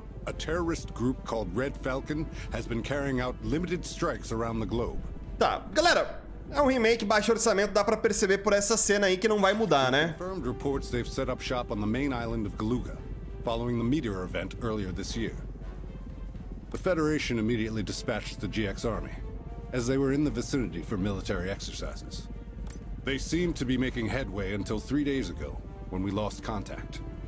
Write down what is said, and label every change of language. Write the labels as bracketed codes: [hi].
[en] A terrorist group called Red Falcon has been carrying out limited strikes around the globe. [pt] Tá, galera, é um remake baixo orçamento, dá pra perceber por essa cena aí que não vai mudar, né? [en] Confirmed reports they've set up shop on the main island of Galuga, following the meteor event earlier this year. The Federation immediately dispatched the GX army, as they were in the vicinity for military exercises. They seemed to be making headway until 3 days ago, when we lost contact.